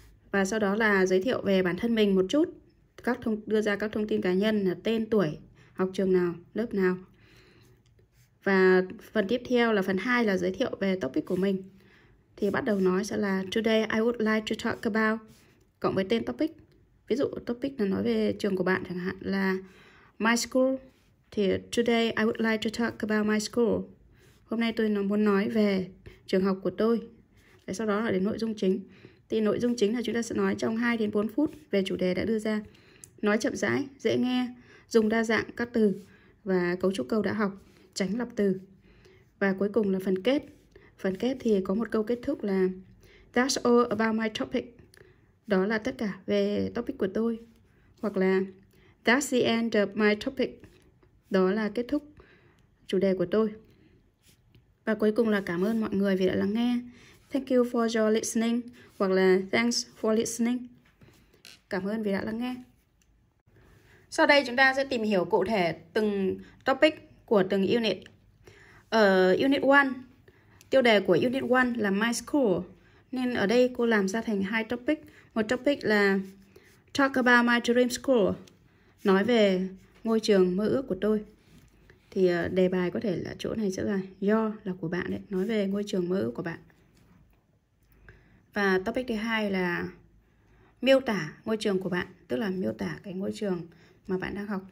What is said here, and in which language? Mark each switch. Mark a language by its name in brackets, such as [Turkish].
[Vietnamese] Và sau đó là giới thiệu về bản thân mình một chút, đưa ra các thông tin cá nhân là tên, tuổi, học trường nào, lớp nào. Và phần tiếp theo là phần 2 là giới thiệu về topic của mình. Thì bắt đầu nói sẽ là [English] today I would like to talk about, [Vietnamese] cộng với tên topic. Ví dụ topic là nói về trường của bạn chẳng hạn là [English] my school. Thì today I would like to talk about my school. [Vietnamese] Hôm nay tôi muốn nói về trường học của tôi. Để sau đó là đến nội dung chính. Thì nội dung chính là chúng ta sẽ nói trong 2 đến 4 phút về chủ đề đã đưa ra. Nói chậm rãi, dễ nghe, dùng đa dạng các từ và cấu trúc câu đã học, tránh lặp từ. Và cuối cùng là phần kết. Phần kết thì có một câu kết thúc là [English] that's all about my topic. [Vietnamese] Đó là tất cả về topic của tôi. Hoặc là [English] that's the end of my topic. [Vietnamese] Đó là kết thúc chủ đề của tôi. Và cuối cùng là cảm ơn mọi người vì đã lắng nghe. [English] Thank you for your listening. [Vietnamese] Hoặc là [English] thanks for listening. [Vietnamese] Cảm ơn vì đã lắng nghe. Sau đây chúng ta sẽ tìm hiểu cụ thể từng topic của từng unit. Ở unit 1, tiêu đề của unit 1 là My School. Nên ở đây cô làm ra thành hai topic. Một topic là [English] Talk about my dream school. [Vietnamese] Nói về ngôi trường mơ ước của tôi. Thì đề bài có thể là chỗ này sẽ là do là của bạn đấy, nói về ngôi trường mơ ước của bạn. Và topic thứ hai là miêu tả ngôi trường của bạn, tức là miêu tả cái ngôi trường mà bạn đang học.